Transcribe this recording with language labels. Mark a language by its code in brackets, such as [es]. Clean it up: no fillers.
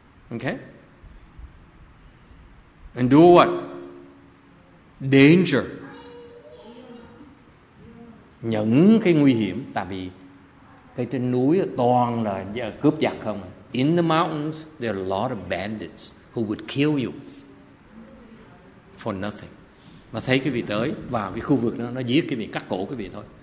[en] Okay? Endure what? Danger. [vi] Nhận cái nguy hiểm, tại vì cái trên núi toàn là cướp giặc không. [en] In the mountains, there are a lot of bandits who would kill you for nothing. [vi] Mà thấy cái vị tới vào cái khu vực đó, nó giết cái vị, cắt cổ cái vị thôi.